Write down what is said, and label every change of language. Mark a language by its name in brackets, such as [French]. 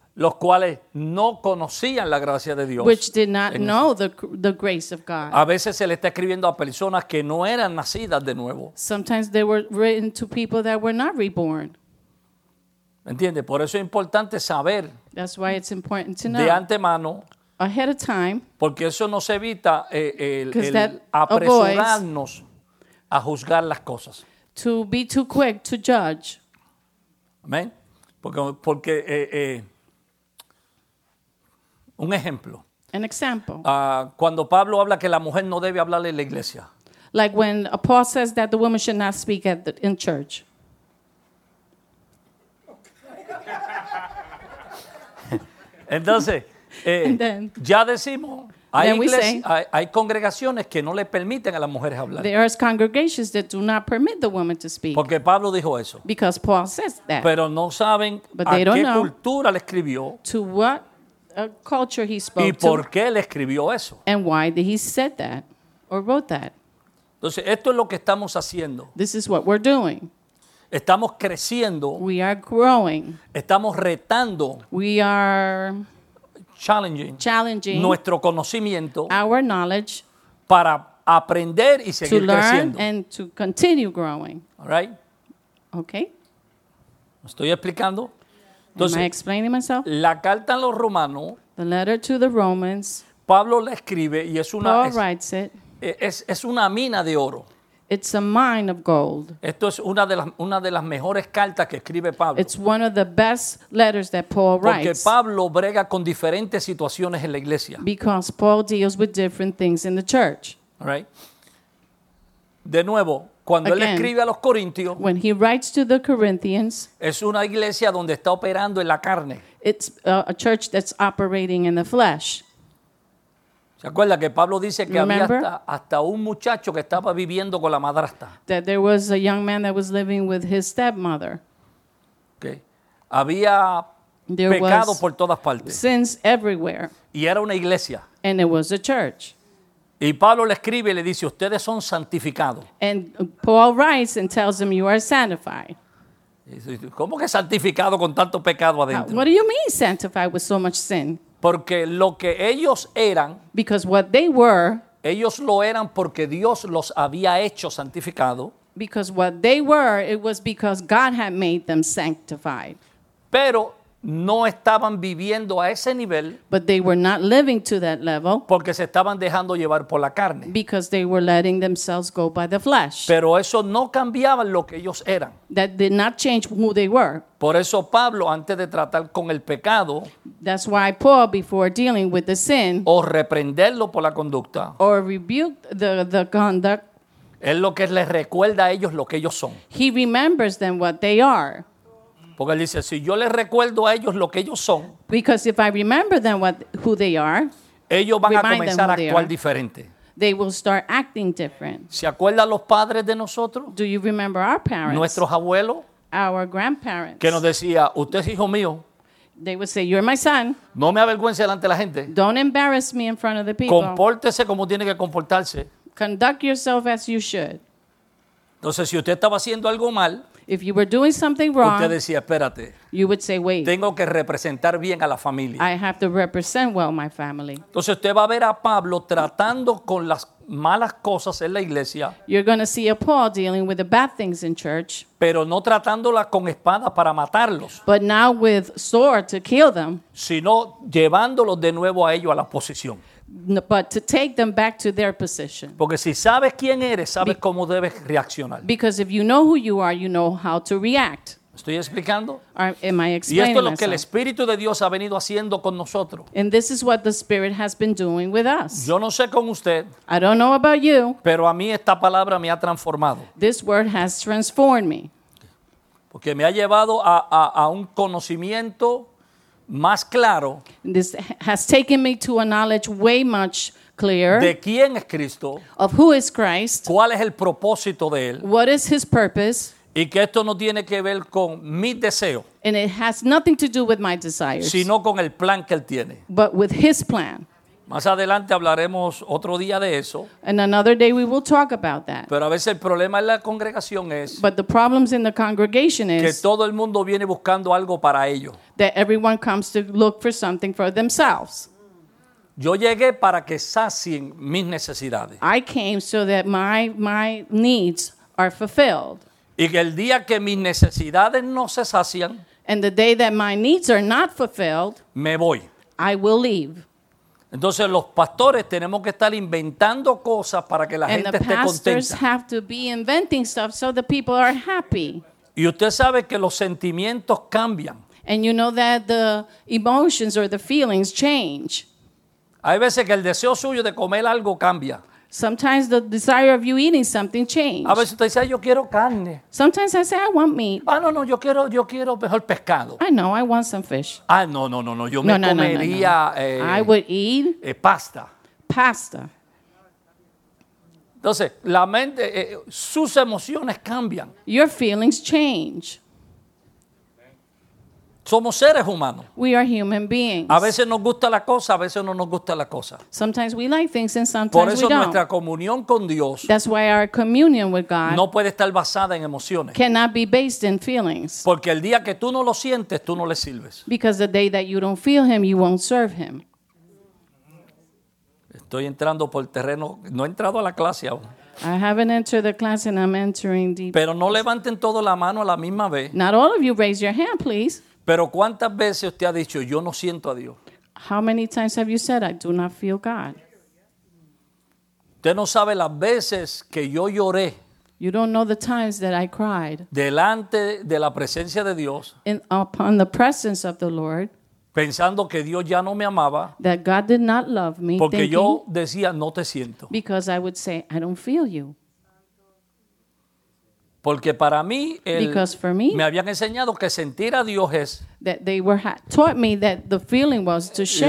[Spanish] Los cuales no conocían la gracia de Dios. [English] Which did not know the grace of God. [Spanish] A veces se le está escribiendo a personas que no eran nacidas de nuevo. [English] Sometimes they were written to people that were not reborn. [Spanish] ¿Entiende? Por eso es importante saber. [English] That's why it's important to know. [Spanish] De antemano. [English] ahead of time. [Spanish] Porque eso nos evita el apresurarnos a juzgar las cosas. [English] To be too quick to judge. [Spanish] Amén. Porque un ejemplo. [English] An example. [Spanish] Cuando Pablo habla que la mujer no debe hablar en la iglesia. [English] Like when Paul says that the woman should not speak at the, in church. [Spanish] Entonces, ya decimos, hay congregaciones que no le permiten a las mujeres hablar. [English] There are congregations that do not permit the woman to speak. [Spanish] Porque Pablo dijo eso. [English] Because Paul says that. [Spanish] Pero no saben [English] but [Spanish] a qué cultura le escribió. [English] To what culture he spoke [Spanish] y por [English] to, [Spanish] qué le escribió eso. [English] And why did he said that or wrote that. [Spanish] Entonces, esto es lo que estamos haciendo. [English] This is what we're doing. [Spanish] Estamos creciendo. [English] We are growing. [Spanish] Estamos retando. [English] We are challenging [Spanish] nuestro conocimiento. [English] Our knowledge. [Spanish] Para aprender y seguir [English] to learn [Spanish] creciendo. [English] And to continue growing. All right. Okay. [Spanish] ¿Me estoy explicando? Entonces, [English] am I explaining myself? [Spanish] La carta a los romanos. [English] The letter to the Romans. [Spanish] Pablo la escribe y es una. [English] Paul writes it. [Spanish] Es una mina de oro. [English] It's a mine of gold. [Spanish] Esto es una de las mejores cartas que escribe Pablo. [English] It's one of the best letters that Paul [Spanish] porque [English] writes. [Spanish] Porque Pablo brega con diferentes situaciones en la iglesia. [English] Because Paul deals with different things in the church. All right. [Spanish] De nuevo, cuando [English] again, [Spanish] él escribe a los corintios, [English] when he writes to the Corinthians, [Spanish] es una iglesia donde está operando en la carne. [English] It's a church that's operating in the flesh. [Spanish] ¿Se acuerda que Pablo dice que [English] remember, [Spanish] había hasta un muchacho que estaba viviendo con la madrastra? [English] That there was a young man that was living with his stepmother. [Spanish] Okay. Había [English] there [Spanish] pecado [English] was [Spanish] por todas partes. [English] Sins everywhere. [Spanish] Y era una iglesia. [English] And it was a church. [Spanish] Y Pablo le escribe y le dice, ustedes son santificados. [English] And Paul writes and tells him, you are sanctified. [Spanish] ¿Cómo que santificado con tanto pecado adentro? [English] What do you mean sanctified with so much sin? [Spanish] Porque lo que ellos eran, [English] because what they were, [Spanish] ellos lo eran porque Dios los había hecho santificado. [English] Because what they were, it was because God had made them sanctified. [Spanish] Pero no estaban viviendo a ese nivel. [English] But they were not living to that level. [Spanish] Porque se estaban dejando llevar por la carne. [English] Because they were letting themselves go by the flesh. [Spanish] Pero eso no cambiaba lo que ellos eran. [English] That did not change who they were. [Spanish] Por eso Pablo, antes de tratar con el pecado, [English] that's why Paul, before dealing with the sin, [Spanish] o reprenderlo por la conducta, [English] or rebuke the conduct, [Spanish] es lo que les recuerda a ellos lo que ellos son. [English] He remembers them what they are. [Spanish] Porque él dice, si yo les recuerdo a ellos lo que ellos son, [English] because if I remember them what, who they are, [Spanish] ellos van a comenzar a actuar diferente. [English] They will start acting different. [Spanish] ¿Se acuerdan los padres de nosotros? [English] Do you remember our parents? [Spanish] Nuestros abuelos. [English] Our grandparents. [Spanish] Que nos decía, usted es hijo mío. [English] They would say, you're my son. [Spanish] No me avergüence delante de la gente. [English] Don't embarrass me in front of the people. [Spanish] Compórtese como tiene que comportarse. [English] Conduct yourself as you should. [Spanish] Entonces, si usted estaba haciendo algo mal, [English] if you were doing something wrong, [Spanish] usted decía, espérate, [English] you would say, wait, [Spanish] tengo que representar bien a la familia. [English] I have to represent well my family. [Spanish] Entonces usted va a ver a Pablo tratando con las malas cosas en la iglesia. [English] You're going to see a Paul dealing with the bad things in church. [Spanish] Pero no tratándola con espada para matarlos. [English] But not with sword to kill them. [Spanish] Sino llevándolos de nuevo a ellos a la posición. [English] No, but to take them back to their position. [Spanish] Porque si sabes quién eres, sabes cómo debes reaccionar. [English] Because if you know who you are, you know how to react. [Spanish] ¿Estoy explicando? [English] Or, am I explaining [Spanish] y esto es lo [English] myself? [Spanish] Que el Espíritu de Dios ha venido haciendo con nosotros. [English] And this is what the Spirit has been doing with us. [Spanish] Yo no sé con usted. [English] I don't know about you. [Spanish] Pero a mí esta palabra me ha transformado. [English] This word has transformed me. [Spanish] Porque me ha llevado a un conocimiento más claro. [English] This has taken me to a knowledge way much clearer. [Spanish] De quién es Cristo. [English] Of who is Christ. [Spanish] Cuál es el propósito de él. [English] What is his purpose. [Spanish] Y que esto no tiene que ver con mis deseos. [English] And it has nothing to do with my desires. [Spanish] Sino con el plan que él tiene. [English] But with his plan. [Spanish] Más adelante hablaremos otro día de eso. [English] And another day we will talk about that. [Spanish] Pero a veces el problema en la congregación es. [English] But the problems in the congregation is. [Spanish] Que todo el mundo viene buscando algo para ellos. [English] That everyone comes to look for something for themselves. [Spanish] Yo llegué para que sacien mis necesidades. [English] I came so that my needs are fulfilled. [Spanish] Y que el día que mis necesidades no se sacian. [English] And the day that my needs are not fulfilled. [Spanish] Me voy. [English] I will leave. [Spanish] Entonces los pastores tenemos que estar inventando cosas para que la gente esté contenta. [English] And the pastors have to be inventing stuff so the people are happy. [Spanish] Y usted sabe que los sentimientos cambian. [English] And you know that the emotions or the feelings change. [Spanish] Hay veces que el deseo suyo de comer algo cambia. [English] Sometimes the desire of you eating something changes. [Spanish] A veces usted dice, yo quiero carne. [English] Sometimes I say, I want meat. [Spanish] Ah, no, yo quiero mejor pescado. [English] I know, I want some fish. [Spanish] Ah, no, yo me comería... [English] I would eat... [Spanish] Pasta. [English] Pasta. [Spanish] Entonces, la mente, sus emociones cambian. [English] Your feelings change. [Spanish] Somos seres humanos. [English] We are human beings. [Spanish] A veces nos gusta la cosa, a veces no nos gusta la cosa. [English] Sometimes we like things and sometimes we don't. [Spanish] Por eso nuestra comunión con Dios. [English] That's why our communion with God. [Spanish] No puede estar basada en emociones. [English] Cannot be based in feelings. [Spanish] Porque el día que tú no lo sientes, tú no le sirves. [English] Because the day that you don't feel him, you won't serve him. [Spanish] Estoy entrando por terreno, no he entrado a la clase aún. [English] I haven't entered the class and I'm entering deep. [Spanish] Pero no levanten todo la mano a la misma vez. [English] Not all of you raise your hand, please. [Spanish] Pero ¿cuántas veces usted ha dicho yo no siento a Dios? [English] How many times have you said I do not feel God? [Spanish] Usted no sabe las veces que yo lloré. [English] You don't know the times that I cried. [Spanish] Delante de la presencia de Dios. [English] In, upon the presence of the Lord. [Spanish] Pensando que Dios ya no me amaba. [English] That God did not love me. [Spanish] Porque yo decía no te siento. [English] Because I would say I don't feel you. [Spanish] Porque para mí el, me, me habían enseñado que sentir a Dios es [English] that they were taught me that the feeling was to shake,